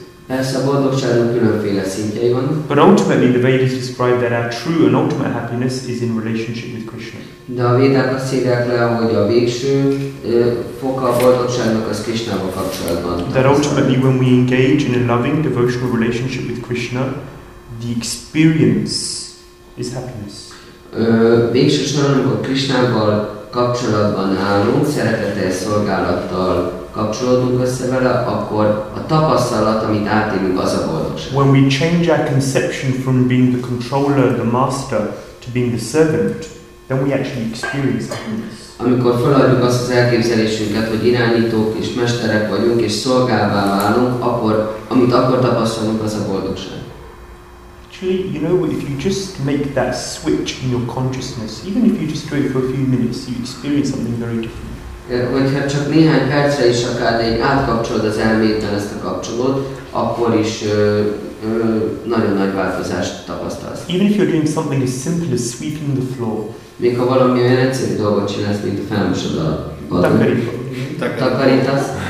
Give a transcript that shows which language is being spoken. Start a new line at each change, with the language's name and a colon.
Hungarian: Persze a boldogságon különféle szintjei van.
English: But ultimately the Vedas describe that our true and ultimate happiness is in relationship with Krishna.
Hungarian: De a Védák azt írják le, hogy a végső foka a boldogságnak az Krishnával kapcsolatban.
English: That ultimately when we engage in a loving devotional relationship with Krishna, the experience is happiness.
Hungarian: Végső soron, amikor Krishnával kapcsolatban állunk, szeretettel, szolgálattal kapcsolódunk össze vele, akkor a tapasztalat, amit átélünk, az a boldogság.
English: When we change our conception from being the controller, the master, to being the servant, then we actually experience happiness.
Hungarian: Amikor feladjuk azt az elképzelésünket, hogy irányítók és mesterek vagyunk és szolgává válunk, akkor, amit akkor tapasztalunk, az a boldogság.
English: Actually, you know, if you just make that switch in your consciousness, even if you just do it for a few minutes, you experience something very different.
Hungarian: Hogyha csak néhány percre is akár egy átkapcsolod az elméddel ezt a kapcsolót, akkor is nagyon nagy változást tapasztalsz.
English: Even if you're doing something as simple as sweeping the floor.
Hungarian: Még ha valami olyan egyszerű dolgot csinálsz, mint a felmosod a takarítasz.